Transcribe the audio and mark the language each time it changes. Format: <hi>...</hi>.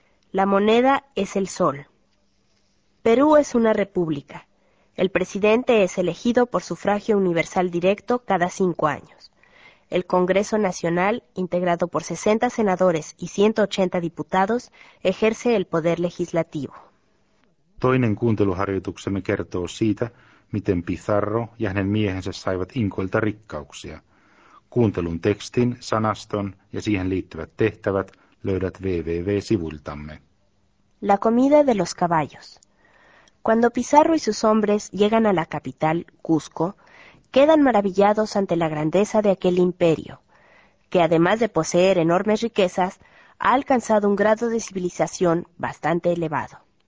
<es>La moneda es el sol. Perú es una república. El presidente es elegido por sufragio universal directo cada 5 años. El Congreso Nacional, integrado por 60 senadores y 180 diputados, ejerce el poder legislativo.</es> <fi>Toinen kuunteluharjoituksemme kertoo siitä, miten Pizarro ja hänen miehensä saivat Inkoilta rikkauksia. Kuuntelun tekstin, sanaston ja siihen liittyvät tehtävät löydät www-sivuiltamme.</fi> <es>La comida de los caballos. Cuando Pizarro y sus hombres llegan a la capital, Cusco, quedan maravillados ante la grandeza de aquel imperio, que además de poseer enormes riquezas, ha alcanzado un grado de civilización bastante elevado.</es>